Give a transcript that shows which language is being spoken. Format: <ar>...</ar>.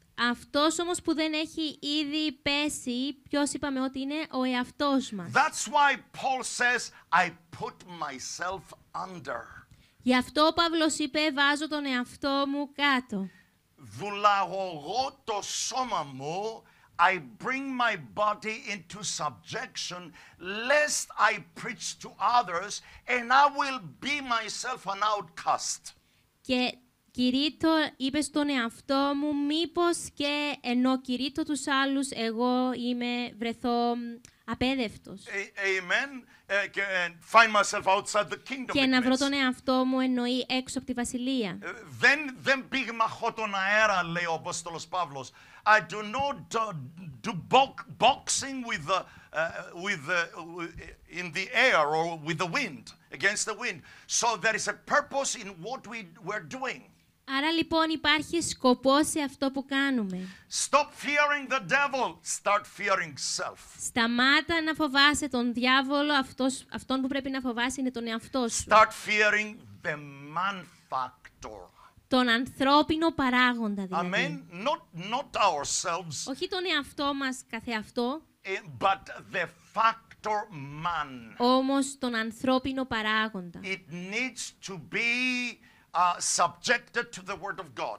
<el>Αυτός όμως που δεν έχει ήδη πέσει, ποιος είπαμε ότι είναι ο εαυτός μας.</el> <en>That's why Paul says, I put myself under.</en> <el>Γι' αυτό ο Παύλος είπε, βάζω τον εαυτό μου κάτω. Δουλαγωγώ το σώμα μου,</el> <en>I bring my body into subjection, lest I preach to others, and I will be myself an outcast.</en> <el>Και κηρύττω, είπε στον εαυτό μου, μήπως και ενώ κηρύττω τους άλλους, εγώ είμαι βρεθώ απέδευτος.</el> <en>Amen. And find myself outside the kingdom.</en> <el>Και να βρω τον εαυτό μου, εννοεί έξω από τη βασιλεία. Δεν πήγμαχω τον αέρα, λέει ο Απόστολος Παύλος.</el> <en>I do not do boxing in the air or with the wind, against the wind. So there is a purpose in what we were doing.</en> <el>Άρα λοιπόν υπάρχει σκοπός σε αυτό που κάνουμε.</el> <en>Stop fearing the devil, start fearing self.</en> <el>Σταμάτα να φοβάσαι τον διάβολο, αυτόν που πρέπει να φοβάσαι είναι τον εαυτό σου.</el> <en>Start fearing the man factor.</en> <el>Τον ανθρώπινο παράγοντα δηλαδή.</el> <en>Amen. Not ourselves.</en> <el>Όχι τον εαυτό μας καθεαυτό.</el> <en>But the factor man.</en> <el>Όμως τον ανθρώπινο παράγοντα.</el> <en>It needs to be subjected to the word of God.</en>